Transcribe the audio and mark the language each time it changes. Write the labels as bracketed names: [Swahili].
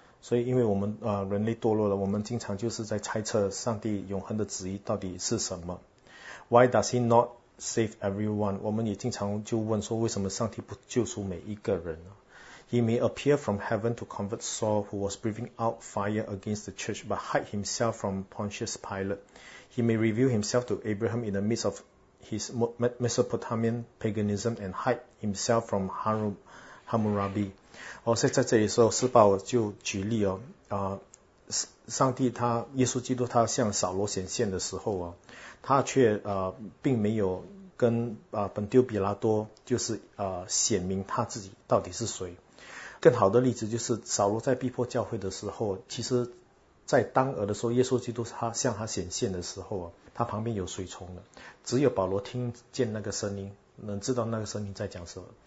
[Chinese] 所以因为我们人类堕落了，我们经常就是在猜测上帝永恒的旨意到底是什么。 [English] Why does he not save everyone? [Chinese] 我们也经常就问说为什么上帝不救赎每一个人呢？ [English] He may appear from heaven to convert Saul, who was breathing out fire against the church, but hide himself from Pontius Pilate. He may reveal himself to Abraham in the midst of his Mesopotamian paganism and hide himself from Hammurabi. [Chinese] 所以在这里说，施保就举例哦，上帝他耶稣基督他向扫罗显现的时候啊，他却并没有跟本丢比拉多就是显明他自己到底是谁。更好的例子就是扫罗在逼迫教会的时候，其实在当儿的时候，耶稣基督他向他显现的时候啊，他旁边有随从的，只有保罗听见那个声音，能知道那个声音在讲什么。